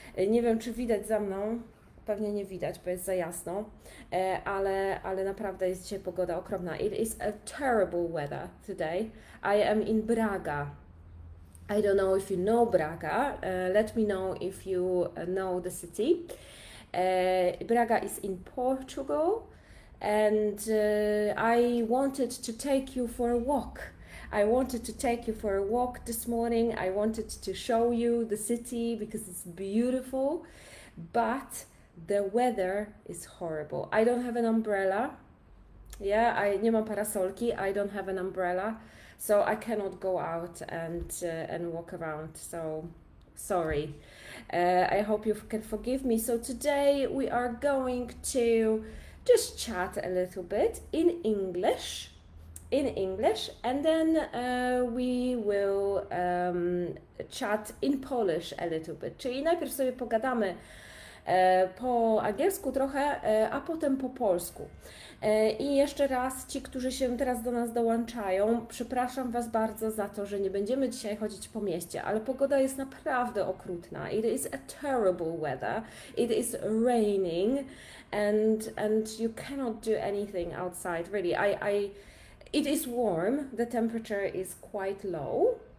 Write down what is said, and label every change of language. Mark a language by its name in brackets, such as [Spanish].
[Polish] Nie wiem, czy widać za mną. Pewnie nie widać, bo jest za jasno. Ale naprawdę jest dzisiaj pogoda okropna. [English] It is a terrible weather today. I am in Braga. I don't know if you know Braga. Let me know if you know the city. Braga is in Portugal. And I wanted to take you for a walk. I wanted to take you for a walk this morning. I wanted to show you the city because it's beautiful, but the weather is horrible. I don't have an umbrella. [Polish] Nie mam parasolki. [English] I don't have an umbrella, so I cannot go out and walk around. So sorry. I hope you can forgive me. So today we are going to just chat a little bit in English. In English, and then we will chat in Polish a little bit. [Polish] Czyli najpierw sobie pogadamy po angielsku trochę, a potem po polsku. I jeszcze raz, ci, którzy się teraz do nas dołączają, przepraszam Was bardzo za to, że nie będziemy dzisiaj chodzić po mieście, ale pogoda jest naprawdę okrutna. [English] It is a terrible weather. It is raining, and you cannot do anything outside, really. It is warm, the temperature is quite low.